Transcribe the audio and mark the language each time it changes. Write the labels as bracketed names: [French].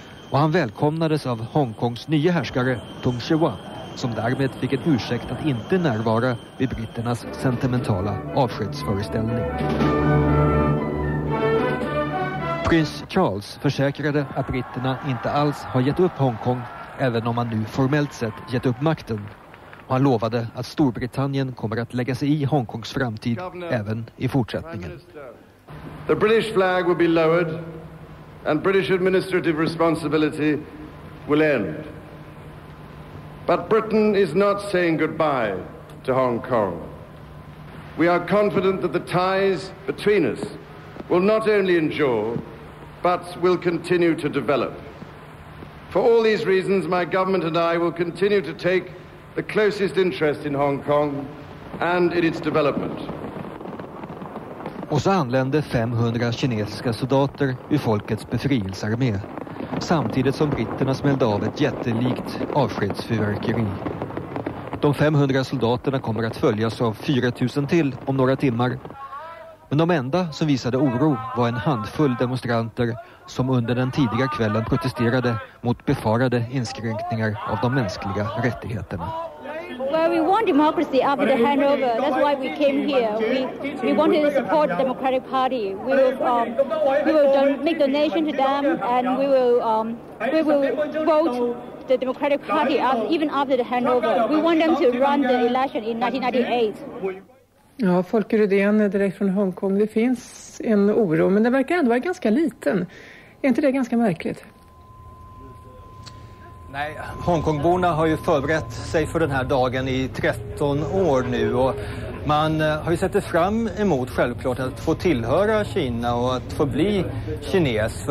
[Swedish] Och han välkomnades av Hongkongs nya härskare Tung Shewa, som därmed fick en ursäkt att inte närvara vid britternas sentimentala avskedsföreställning. Prins Charles försäkrade att britterna inte alls har gett upp Hongkong, även om man nu formellt sett gett upp makten. Och han lovade att Storbritannien kommer att lägga sig i Hongkongs framtid även i fortsättningen. [English] The British flag will be lowered and British administrative responsibility will end. But Britain is not saying goodbye to Hong Kong. We are confident that the ties between us will not only endure, but will continue to develop. For all these reasons, my government and I will continue to take the closest interest in Hong Kong and in its development. [Swedish] Och så anlände 500 kinesiska soldater ur Folkets befrielsearmé, samtidigt som britterna smällde av ett jättelikt avskedsfyrverkeri. De 500 soldaterna kommer att följas av 4000 till om några timmar. Men de enda som visade oro var en handfull demonstranter som under den tidiga kvällen protesterade mot befarade inskränkningar av de mänskliga rättigheterna. [English] Well, we want democracy after the handover. That's why we came here. We wanted to support the Democratic Party. We will make donation to them, and we will vote the Democratic Party even after the handover. We want them to run the election in 1998. [Swedish] Ja, Folke Rydén är direkt från Hongkong. Det finns en oro, men den verkar ändå vara ganska liten. Är inte det ganska märkligt? Nej, Hongkongborna har ju förberett sig för den här dagen i 13 år nu. Och man har ju sett det fram emot självklart att få tillhöra Kina och att få bli kines.